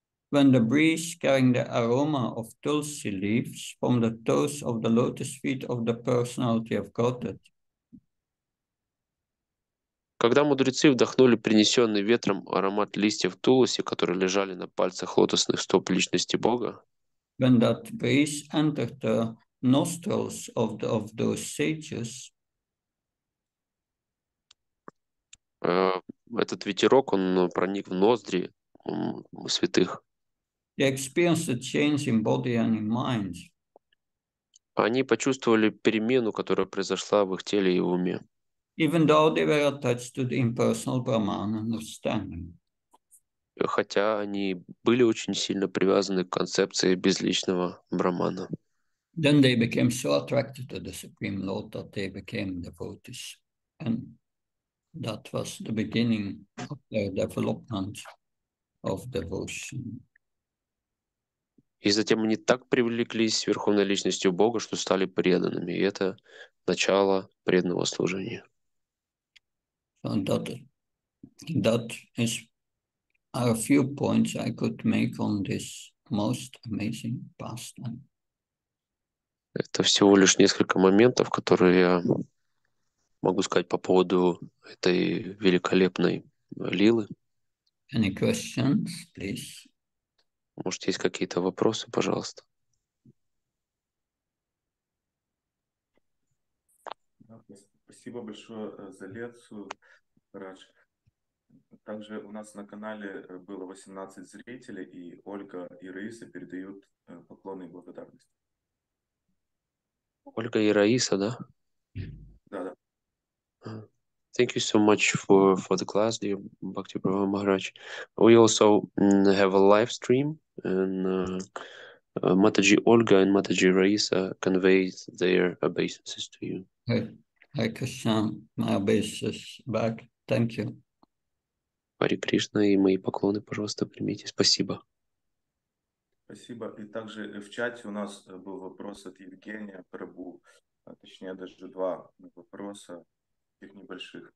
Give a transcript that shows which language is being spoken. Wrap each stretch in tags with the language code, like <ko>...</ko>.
<en>When the breeze carrying the aroma of tulsi leaves from the toes of the lotus feet of the personality of Godhead.</en> <ru>Когда мудрецы вдохнули принесенный ветром аромат листьев тулуси, которые лежали на пальцах лотосных стоп личности Бога.</ru> <en>When that breeze entered the nostrils of the, of those sages.</en> <ru>Этот ветерок, он проник в ноздри святых.</ru> <en>They experienced a change in body and in mind.</en> <ru>Они почувствовали перемену, которая произошла в их теле и в уме.</ru> <en>Even though they were attached to the impersonal Brahman understanding.</en> <ru>Хотя они были очень сильно привязаны к концепции безличного Брахмана.</ru> <en>Then they became so attracted to the Supreme Lord that they became devotees. And that was the beginning of their development of devotion.</en> <ru>И затем они так привлеклись с Верховной Личностью Бога, что стали преданными. И это начало преданного служения.</ru> <en>So that, that is a few points I could make on this most amazing pastime.</en> <ru>Это всего лишь несколько моментов, которые я могу сказать по поводу этой великолепной лилы.</ru> <en>Any questions, please?</en> <ru>Может, есть какие-то вопросы, пожалуйста? Спасибо большое за лекцию, Радж. Также у нас на канале было 18 зрителей, и Ольга и Раиса передают поклоны и благодарность. Ольга и Раиса, да? Да, да.</ru> <en>Thank you so much for the class, dear Bhakti Prabhu Maharaj. We also have a live stream, and Mataji Olga and Mataji Raisa convey their obeisances to you. I could send my obeisances back. Thank you.</en> <ru>Хари Кришна, и мои поклоны, пожалуйста, примите. Спасибо. Спасибо. И также в чате у нас был вопрос от Евгения Прабу, а точнее даже два вопроса, таких небольших.</ru>